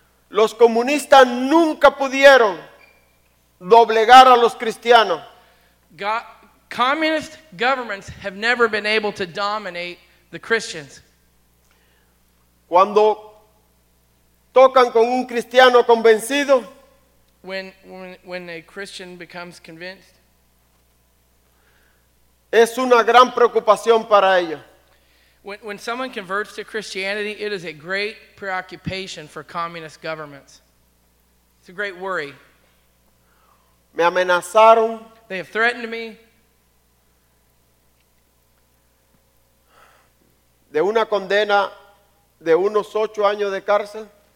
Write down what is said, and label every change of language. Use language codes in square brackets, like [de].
[es] Los comunistas nunca pudieron doblegar a los cristianos. [en] Communist governments have never been able to dominate the Christians. [es] Cuando tocan con un cristiano convencido, [en] when a Christian becomes convinced, [es] es una gran preocupación para ellos. [en] When someone converts to Christianity, it is a great preoccupation for communist governments. It's a great worry. [es] Me amenazaron. [en] They have threatened me. [es] De una condena de unos 8 años de cárcel.